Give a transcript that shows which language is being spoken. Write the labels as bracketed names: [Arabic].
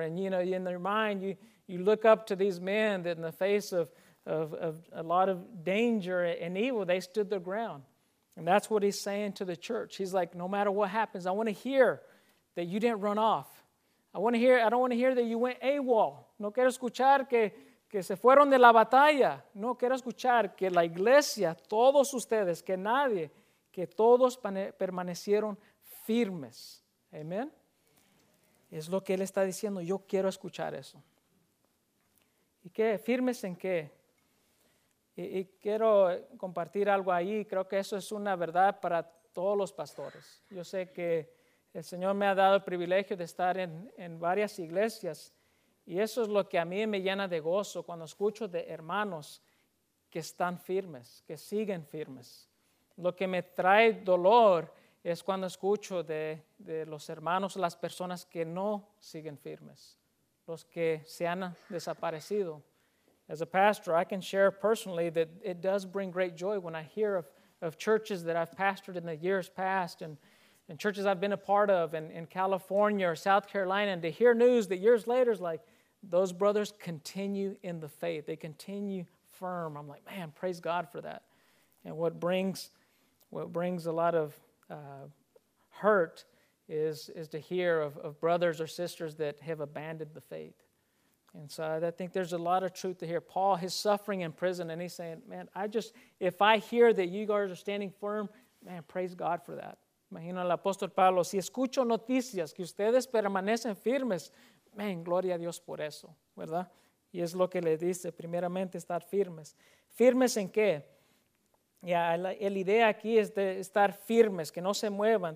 [English] And, you know, in their mind, you look up to these men that in the face of a lot of danger and evil, they stood their ground. And that's what he's saying to the church. He's like, no matter what happens, I want to hear that you didn't run off. I don't want to hear that you went AWOL. [Spanish] No quiero escuchar que se fueron de la batalla. No quiero escuchar que la iglesia, todos ustedes, que nadie, que todos permanecieron firmes. Amen. Es lo que él está diciendo. Yo quiero escuchar eso. ¿Y qué? ¿Firmes en qué? Y quiero compartir algo ahí. Creo que eso es una verdad para todos los pastores. Yo sé que el Señor me ha dado el privilegio de estar en varias iglesias. Y eso es lo que a mí me llena de gozo cuando escucho de hermanos que están firmes, que siguen firmes. Lo que me trae dolor es cuando escucho de los hermanos, las personas que no siguen firmes. Los que se han desaparecido. [English] As a pastor, I can share personally that it does bring great joy when I hear of churches that I've pastored in the years past and churches I've been a part of in California or South Carolina, and to hear news that years later is like, those brothers continue in the faith. They continue firm. I'm like, man, praise God for that. And what brings a lot of hurt is to hear of brothers or sisters that have abandoned the faith. And so I think there's a lot of truth to hear. Paul, he's suffering in prison, and he's saying, man, if I hear that you guys are standing firm, man, praise God for that. [Spanish] Imagino al apóstol Pablo, si escucho noticias que ustedes permanecen firmes, man, gloria a Dios por eso, ¿verdad? Y es lo que le dice, primeramente, estar firmes. ¿Firmes en qué? La idea aquí es de estar firmes, que no se muevan.